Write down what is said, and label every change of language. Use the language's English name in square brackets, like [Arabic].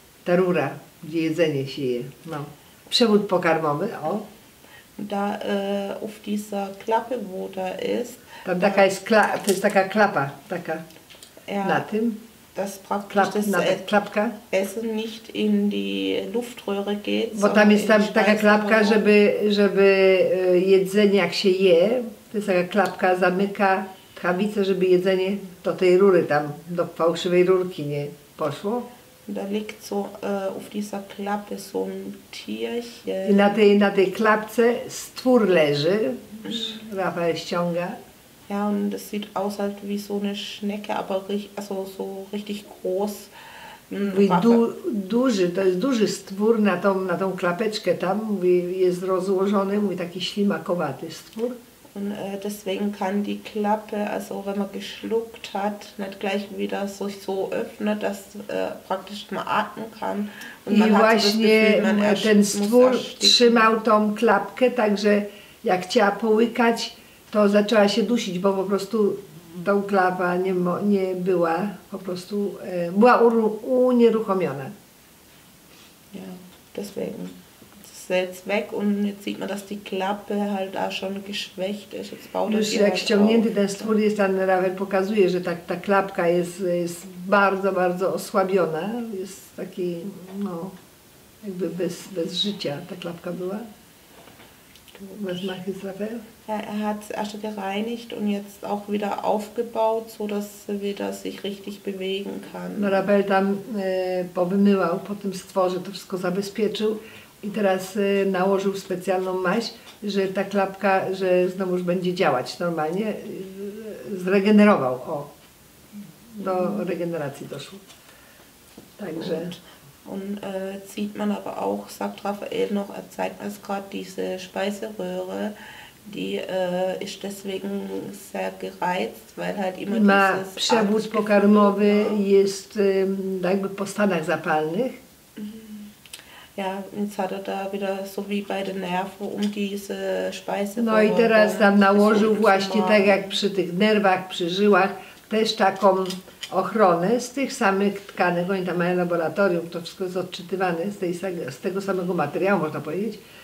[Polish] ta rura, gdzie jedzenie się je. No. Przewód pokarmowy, o. [German] Da auf dieser Klappe, wo da ist. [Polish] Tam taka jest klapa, to jest taka klapa, taka ja, na tym. [German] Das praktisch Klapp, das [Polish] na ta, klapka. [German] Essen nicht in die Luftröhre geht. [Polish] Bo tam jest tam taka klapka, żeby jedzenie jak się je, to jest taka klapka, zamyka tchawicę, żeby jedzenie do tej rury tam, do fałszywej rurki nie poszło. [German] Da liegt so auf dieser Klappe so ein Tierchen. [Polish] I na tej klapce stwór leży. Rafael ściąga. [German] Ja, und das sieht aus halt wie so eine Schnecke, aber also so richtig groß. [Polish] Mówi, duży, to jest duży stwór na tą klapeczkę tam, mówi, jest rozłożony, mówi, taki ślimakowaty stwór. [German] Und deswegen kann die Klappe, also wenn man geschluckt hat, nicht gleich wieder sich so öffnet, dass praktisch man atmen kann. Und [Polish] i właśnie ten stwór trzymał tą klapkę, także jak chciała połykać, to zaczęła się dusić, bo po prostu ta klapa nie była, po prostu była unieruchomiona. [German] Ja, deswegen. Jetzt weg und jetzt sieht man, dass die Klappe halt da schon geschwächt ist. Jetzt baut [Polish] już jak ściągnięty ten stwór jest, ten Rafael pokazuje, że ta klapka jest bardzo, bardzo osłabiona. Jest taki, no, jakby bez życia ta klapka była. [German] Was macht jetzt Rafael? Er hat sie erst gereinigt und jetzt auch wieder aufgebaut, sodass sie wieder sich richtig bewegen kann. [Polish] No, Rafael tam powymywał po tym stworze, to wszystko zabezpieczył. I teraz nałożył specjalną maść, że ta klapka, że znowu już będzie działać normalnie, zregenerował, o, do regeneracji doszło, także. [German] Und sieht man aber auch, sagt Rafael noch, er zeigt mir gerade diese Speiseröhre, die ist deswegen sehr gereizt, weil halt immer dieses... [Polish] Ma przewód pokarmowy, jest jakby po stanach zapalnych. [German] Ja, jetzt hat da wieder so wie bei den Nerven um diese Speiseröhre. [Polish] No i teraz tam nałożył właśnie tak jak przy tych nerwach, przy żyłach, też taką ochronę z tych samych tkanek. Oni tam mają laboratorium, to wszystko jest odczytywane z tego samego materiału, można powiedzieć.